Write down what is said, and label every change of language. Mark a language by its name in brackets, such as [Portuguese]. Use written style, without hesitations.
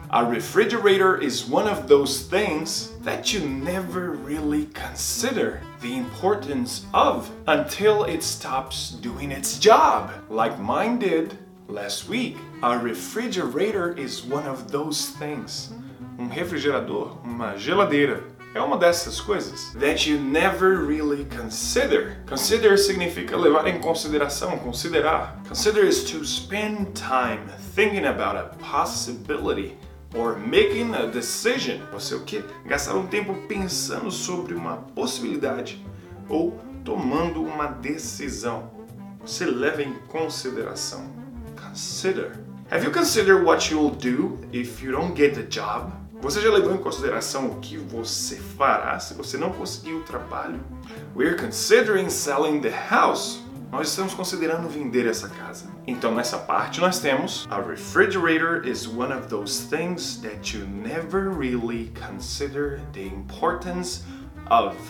[English] A refrigerator is one of those things that you never really consider the importance of until it stops doing its job, like mine did last week. A refrigerator is one of those things. [Portuguese] Um refrigerador, uma geladeira, é uma dessas coisas. [English] That you never really consider. Consider [Portuguese] significa levar em consideração, considerar. [English] Consider is to spend time thinking about a possibility or making a decision. [Portuguese] Você o quê? Gastar um tempo pensando sobre uma possibilidade ou tomando uma decisão. Você leva em consideração. Consider. [English] Have you considered what you'll do if you don't get the job? [Portuguese] Você já levou em consideração o que você fará se você não conseguir o trabalho? [English] We're considering selling the house. [Portuguese] Nós estamos considerando vender essa casa. Então nessa parte nós temos [English] a refrigerator is one of those things that you never really consider the importance of.